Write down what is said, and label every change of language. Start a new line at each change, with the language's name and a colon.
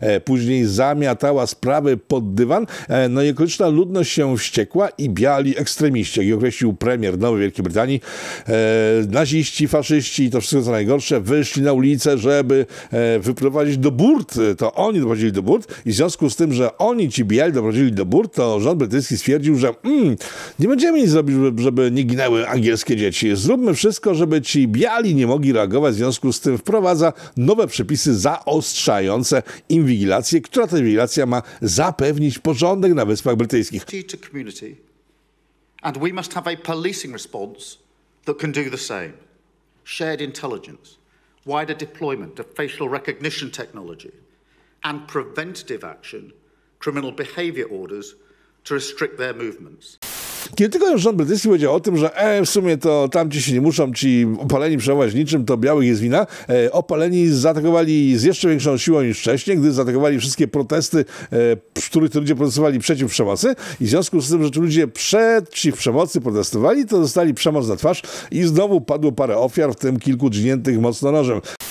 Polish: Później zamiatała sprawy pod dywan, no i okoliczna ludność się wściekła i biali ekstremiści, jak określił premier Nowej Wielkiej Brytanii, naziści, faszyści i to wszystko co najgorsze, wyszli na ulicę, żeby wyprowadzić do burt, to oni doprowadzili do burt i w związku z tym, że oni ci biali doprowadzili do burt, to rząd brytyjski stwierdził, że nie będziemy nic zrobić, żeby nie ginęły angielskie dzieci, zróbmy wszystko, żeby ci biali nie mogli reagować, w związku z tym wprowadza nowe przepisy zaostrzające inwigilację, która ta inwigilacja ma zapewnić porządek na Wyspach Brytyjskich.
English: To community, and we must have a policing response that can do the same. Shared intelligence, wider deployment of facial recognition technology, and preventative action, criminal behaviour orders to restrict their movements.
Polish: Kiedy tylko rząd brytyjski powiedział o tym, że w sumie to tamci się nie muszą ci opaleni przejmować niczym, to białych jest wina, opaleni zaatakowali z jeszcze większą siłą niż wcześniej, gdy zaatakowali wszystkie protesty, w których to ludzie protestowali przeciw przemocy i w związku z tym, że ci ludzie przeciw przemocy protestowali, to dostali przemoc na twarz i znowu padło parę ofiar, w tym kilku dźgniętych mocno nożem.